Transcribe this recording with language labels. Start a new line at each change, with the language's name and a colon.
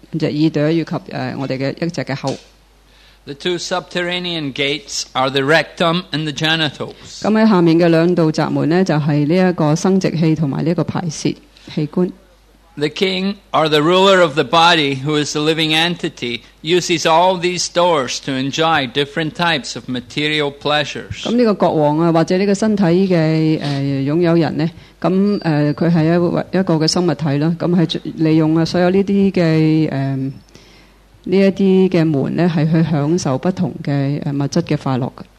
Chinese: 身體的七道的閘門包括兩隻眼睛、兩隻鼻孔、一隻耳朵以及我們的一隻口。
English: The 2 subterranean gates are the rectum and the genitals.
Chinese: 下面的兩道閘門就是生殖器和排泄器官。
English: The king, or the ruler of the body, who is the living entity, uses all these doors to enjoy different types of material pleasures.
Chinese: 这些门去享受不同的物质的快乐。